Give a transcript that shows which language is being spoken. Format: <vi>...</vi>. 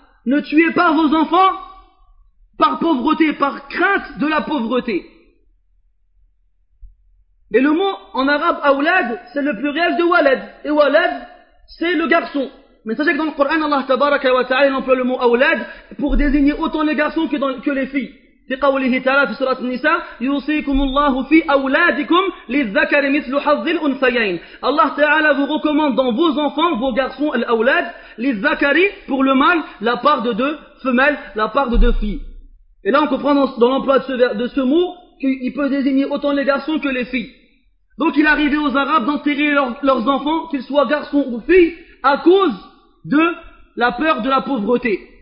<fr>Ne tuez pas vos enfants par pauvreté, par crainte de la pauvreté. Et le mot en arabe awlad, c'est le pluriel de walad. Et walad, c'est le garçon. Mais sachez que dans le Coran, Allah tabaraka wa ta'ala, il emploie le mot awlad pour désigner autant les garçons que les filles.</fr> <ar>في قوله تعالى في سورة النساء يوصيكم الله في أولادكم للذكر مثل حظ الأنثيين.</ar> <fr>الله تعالى vous recommande dans vos enfants, vos garçons,</fr> <ar>الأولاد للذكر</ar> <fr>pour le mâle, la part de deux femelles, la part de deux filles. Et là on comprend dans l'emploi de ce mot qu'il peut désigner autant les garçons que les filles. Donc il arrivait aux Arabes d'enterrer leurs enfants, qu'ils soient garçons ou filles, à cause de la peur de la pauvreté.</fr>